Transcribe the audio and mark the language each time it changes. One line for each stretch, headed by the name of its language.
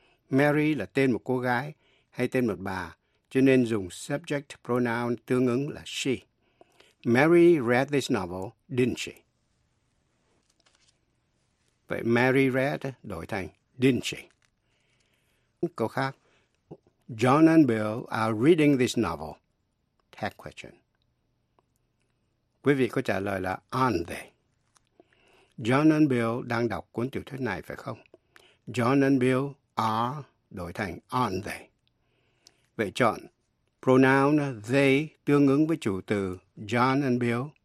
Vietnamese: Mary là tên một cô gái hay tên một bà, cho nên dùng subject pronoun tương ứng là she.
English: Mary read this novel, didn't she?
Vietnamese: Vậy Mary read đổi thành
English: didn't she?
Vietnamese: Câu khác,
English: John and Bill are reading this novel. Tag question.
Vietnamese: Quý vị có trả lời là
English: aren't they?
Vietnamese: John and Bill đang đọc cuốn tiểu thuyết này phải không?
English: John and Bill are
Vietnamese: đổi thành
English: aren't they?
Vietnamese: Vậy chọn pronoun they tương ứng với chủ từ John and Bill.